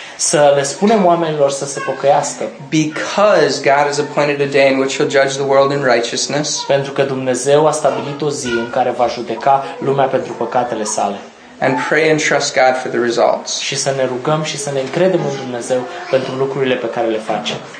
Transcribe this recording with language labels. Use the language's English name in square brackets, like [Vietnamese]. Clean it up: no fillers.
[Romanian] Să le spunem oamenilor să se pocăiască. [English] Because God has appointed a day in which he'll judge the world in righteousness. [Romanian] Pentru că Dumnezeu a stabilit o zi în care va judeca lumea pentru păcatele sale. [English] And pray and trust God for the results. [Romanian] Și să ne rugăm și să ne încredem în Dumnezeu pentru lucrurile pe care le facem.